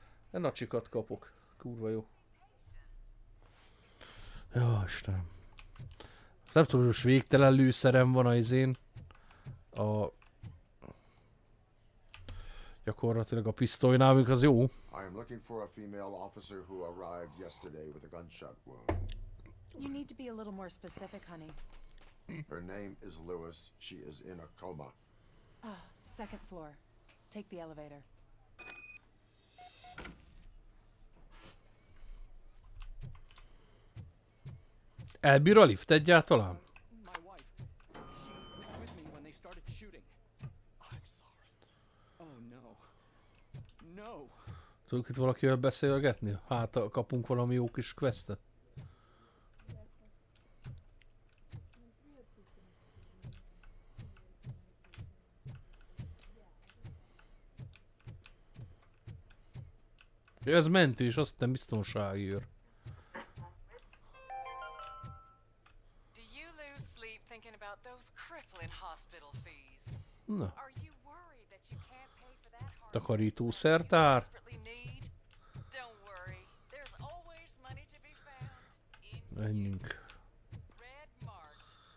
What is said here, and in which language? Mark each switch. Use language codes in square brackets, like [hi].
[hu] Egy nacsikat kapok. Kurva jó. Jó, Istenem. Nem tudom, hogy most végtelen lőszerem van az izén. A... Gyakorlatilag a pisztolynál, amik az jó. [en] I am looking for a female officer who arrived yesterday with a gunshot wound. You need to be a little more specific, honey. Her name is Lewis. She is in a coma. Ah, second floor. Take the elevator. [hu] Elbír a lift egyáltalán? [en] My wife. She was with me when they started shooting. I'm sorry. Oh no. No. [hu] Tudok itt valakivel beszélgetni? Hát, kapunk valami jó kis questet. Ez mentő, és azt hittem biztonsági őr. [en] Do you lose sleep thinking about those crippling hospital fees? Na. Are you worried that you can't pay for that hard? [hu] Takarítószertár. [en] Don't worry. There's always money to be found. [hu] Menjünk. [en] Red marked.